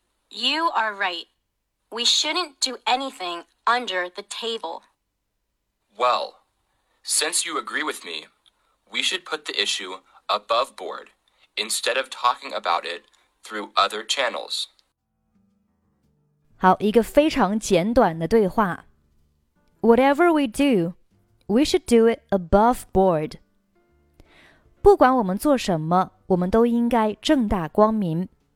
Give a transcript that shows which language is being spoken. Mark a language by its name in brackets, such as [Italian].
[English] You are right. We shouldn't do anything under the table. Well, since you agree with me, we should put the issue above board instead of talking about it through other channels. [Chinese] 好，一个非常简短的对话。 [English] Whatever we do, we should do it above board. [Chinese] 不管我们做什么，我们都应该正大光明。